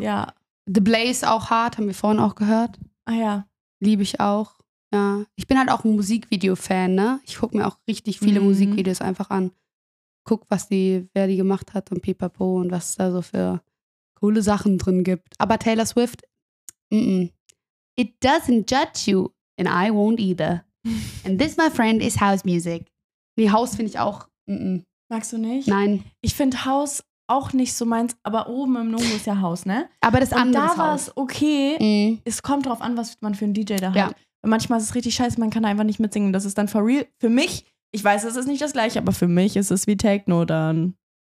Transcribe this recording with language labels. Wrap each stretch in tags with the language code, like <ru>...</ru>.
<de>Ja. The Blaze auch hart, haben wir vorhin auch gehört. Ah ja. Liebe ich auch. Ja. Ich bin halt auch ein Musikvideo-Fan, ne? Ich gucke mir auch richtig viele Musikvideos einfach an. Guck, was die, wer die gemacht hat und pipapo und was da so für coole Sachen drin gibt. Aber</de> <en>Taylor Swift, It doesn't judge you and I won't either. And this, my friend, is house music.</en> <de>Nee, House finde ich auch. Magst du nicht? Nein. Ich finde House auch nicht so meins, aber oben im Nomo ist ja House, ne? Aber das andere Haus. Und da war es okay. Es kommt drauf an, was man für einen DJ da hat. Ja. Und manchmal ist es richtig scheiße, man kann einfach nicht mitsingen. Das ist dann</de> <en>for real.</en> <de>Für mich, ich weiß, es ist nicht das gleiche, aber für mich ist es wie Techno dann.</de>